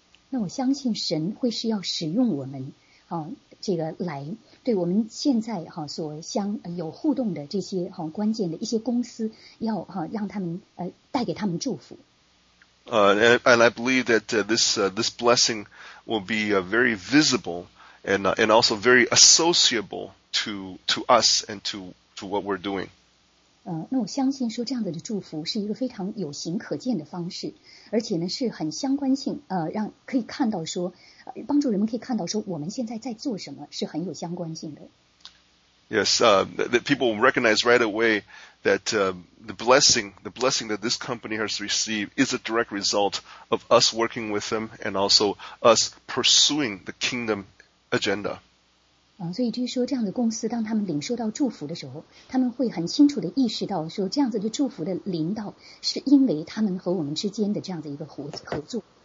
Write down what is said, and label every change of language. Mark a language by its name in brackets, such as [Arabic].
[Chinese] 那我相信神会是要使用我们，这个来对我们现在所相有互动的这些关键的一些公司，要让他们带给他们祝福。 [English] And I believe that this blessing will be very visible and also very associable to us and to what we're doing. [Chinese] 那我相信说这样子的祝福是一个非常有形可见的方式，而且呢是很相关性，让可以看到说，帮助人们可以看到说我们现在在做什么是很有相关性的。 [English] Yes, that people will recognize right away that the blessing that this company has received is a direct result of us working with them and also us pursuing the kingdom agenda. [Chinese] 所以就是说这样的公司当他们领受到祝福的时候，他们会很清楚地意识到说这样子的祝福的临到是因为他们和我们之间的这样的一个合作。